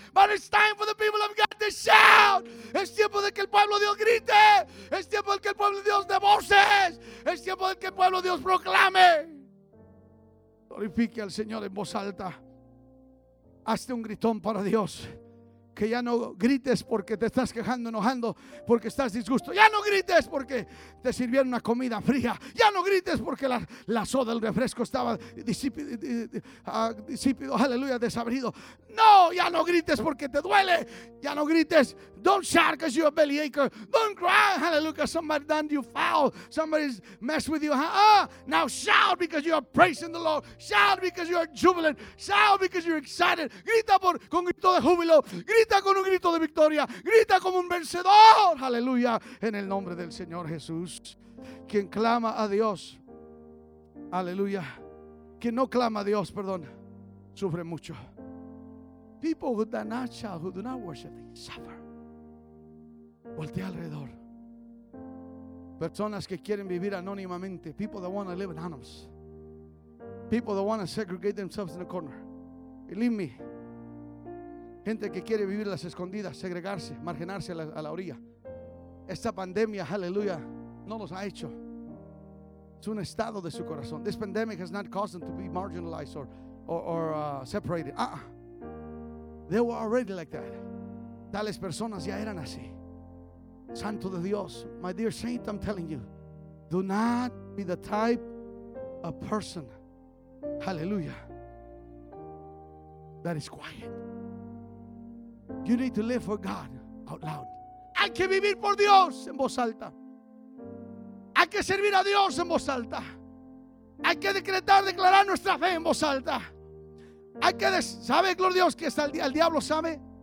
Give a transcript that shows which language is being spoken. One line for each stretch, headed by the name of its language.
English: But it's time for the people of God to shout.
Spanish: Es tiempo de que el pueblo de Dios grite. Es tiempo de que el pueblo de Dios dé voces. Es tiempo de que el pueblo de Dios proclame. Glorifique al Señor en voz alta. Hazte un gritón para Dios. Que ya no grites porque te estás quejando, enojando, porque estás disgusto. Ya no grites porque te sirvieron una comida fría. Ya no grites porque la soda, el refresco estaba disípido, aleluya, desabrido. No, ya no grites porque te duele. Ya no grites.
English: Don't shout because you're a bellyache. Don't cry, hallelujah, somebody done you foul. Somebody's messed with you. Now shout because you're praising the Lord. Shout because you're jubilant. Shout because you're excited.
Spanish: Grita con grito de júbilo. Grita con un grito de victoria. Grita como un vencedor. Aleluya. En el nombre del Señor Jesús. Quien clama a Dios. Aleluya. Quien no clama a Dios, perdón, sufre mucho.
English: People who do not shout, who do not worship, they suffer.
Spanish: Voltea alrededor. Personas que quieren vivir anónimamente.
English: People that want to live anonymous. People that want to segregate themselves in a corner. Believe me.
Spanish: Gente que quiere vivir las escondidas, segregarse, marginarse a la orilla. Esta pandemia, aleluya, no los ha hecho. Es un estado de su corazón.
English: This pandemic has not caused them to be marginalized or separated. They were already like that.
Spanish: Tales personas ya eran así. Santo de Dios,
English: my dear saint, I'm telling you, do not be the type of person, aleluya, that is quiet. You need to live for God out loud.
Spanish: Hay que vivir por Dios en voz alta. Hay que servir a Dios en voz alta. Hay que declarar nuestra fe en voz alta. Hay que sabe, gloria a Dios, que está el diablo sabe.